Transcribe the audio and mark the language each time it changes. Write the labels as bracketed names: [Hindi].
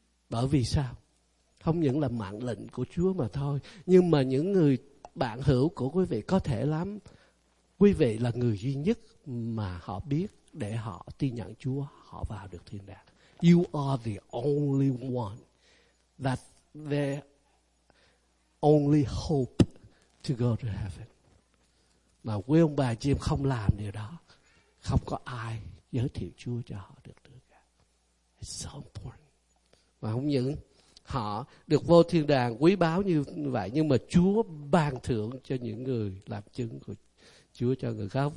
[Vietnamese] Bởi vì sao? Không những là mạng lệnh của Chúa mà thôi, nhưng mà những người bạn hữu của quý vị có thể lắm, quý vị là người duy nhất mà họ biết để họ tin nhận Chúa, họ vào được thiên đàng. [English] You are the only one that they only hope to go to heaven. [Vietnamese] Mà quý ông bà chị em không làm điều đó, không có ai giới thiệu Chúa cho họ được nữa cả. [English] It's so important. [Vietnamese] Mà không những họ được vô thiên đàng quý báu như vậy, nhưng mà Chúa ban thưởng cho những người làm chứng của Chúa cho người khác.